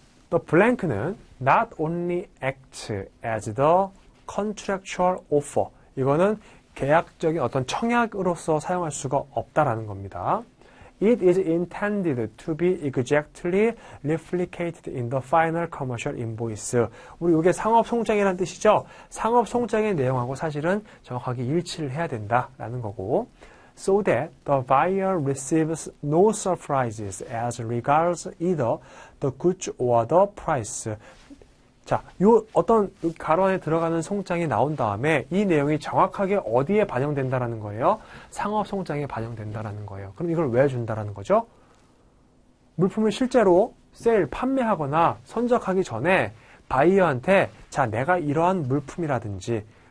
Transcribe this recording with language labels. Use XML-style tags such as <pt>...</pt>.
<en>The blank는 not only acts as the contractual offer,</en> <ko>이거는 계약적인 어떤 청약으로서 사용할 수가 없다라는 겁니다.</ko> <en>It is intended to be exactly replicated in the final commercial invoice.</en> <ko>우리 이게 상업 송장이라는 뜻이죠? 상업 송장의 내용하고 사실은 정확하게 일치를 해야 된다라는 거고.</ko> <en>So that the buyer receives no surprises as regards either the goods or the price.</en> <ko>자, 요 어떤 가로 안에 들어가는 송장이 나온 다음에 이 내용이 정확하게 어디에 반영된다라는 거예요? 상업 송장에 반영된다라는 거예요. 그럼 이걸 왜 준다라는 거죠? 물품을 실제로 세일, 판매하거나 선적하기 전에 바이어한테 자, 내가 이러한 물품이라든지</ko>